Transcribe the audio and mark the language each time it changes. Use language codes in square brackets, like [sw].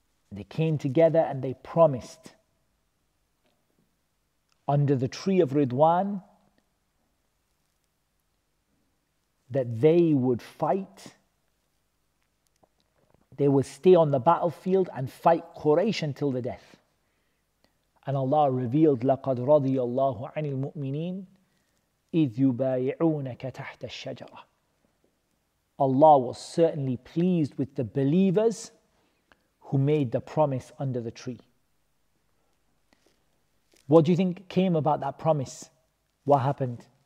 [en] They came together and they promised under the tree of Ridwan that they would fight. They would stay on the battlefield and fight Quraysh until the death. [ar] And Allah revealed, لَقَدْ رَضِيَ اللَّهُ عَنِ الْمُؤْمِنِينَ إِذْ يُبَايِعُونَكَ تَحْتَ الشَّجَرَةِ. [en] Allah was certainly pleased with the believers who made the promise under the tree. What do you think came about that promise? What happened?